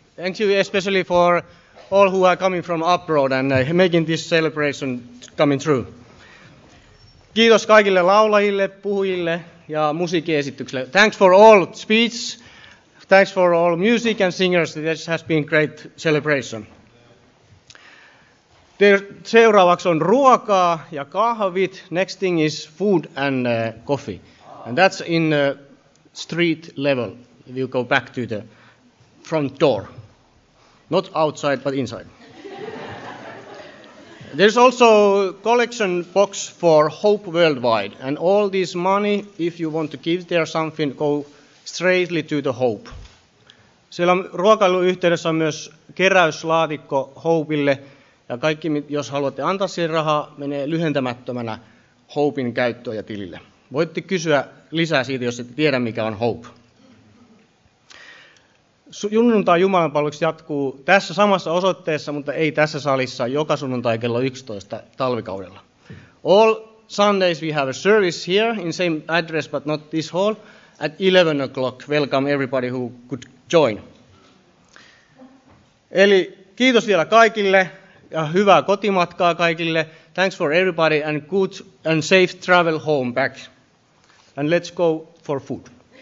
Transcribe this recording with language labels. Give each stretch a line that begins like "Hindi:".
English: Thank you especially for all who are coming from abroad and making this celebration coming true.
Finnish: Kiitos kaikille laulajille, puhujille ja musiikkiesitykselle.
English: Thanks for all speech. Thanks for all music and singers. This has been great celebration.
Finnish: Seuraavaksi on ruokaa ja kahvit.
English: Next thing is food and coffee. And that's in street level. If you go back to the front door, not outside but inside. There's also collection box for Hope Worldwide, and all this money, if you want to give there something, go straightly to the Hope.
Finnish: Siellä ruokailuyhteydessä on myös keräyslaatikko Hopeille, ja kaikki, jos haluatte antaa siihen rahaa, menee lyhentämättömänä Hopein käyttöön ja tilille. Voitte kysyä lisää siitä, jos ette tiedä, mikä on Hope. Sunnuntai jumalanpalveluksi jatkuu tässä samassa osoitteessa, mutta ei tässä salissa, joka sunnuntai kello 11 talvikaudella.
English: All Sundays we have a service here in same address but not this hall at 11 o'clock. Welcome everybody who could join.
Finnish: Eli kiitos vielä kaikille ja hyvää kotimatkaa kaikille.
English: Thanks for everybody and good and safe travel home back. And let's go for food.